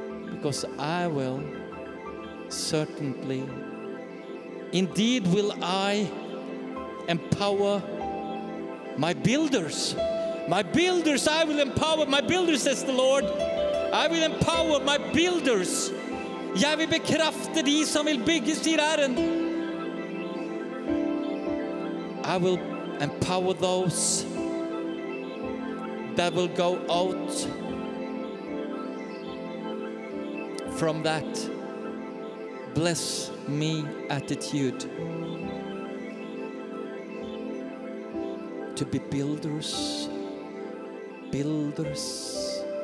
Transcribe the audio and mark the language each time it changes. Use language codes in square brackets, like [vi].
[en] Because I will certainly, indeed will I empower my builders. My builders, I will empower my builders, says the Lord. I will empower my builders. [no] Jeg vil bekrafte de som vil bygge, sier Herren. [en] I will empower those that will go out from that bless me attitude to be builders, builders.